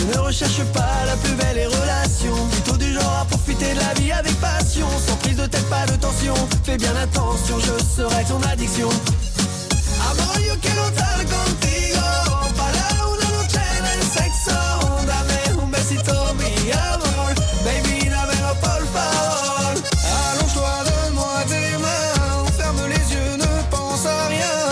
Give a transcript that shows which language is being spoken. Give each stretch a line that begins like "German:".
French: Cherche pas la plus belle des relations, plutôt du genre à profiter de la vie avec passion, sans prise de tête, pas de tension, fais bien attention, je serai ton addiction.
Spanish: Amor, yo quiero estar contigo, para una noche en el sexo, dame un besito, mi amor, baby, dame lo por favor.
French: Allonge-toi, donne-moi tes mains, ferme les yeux, ne pense à rien.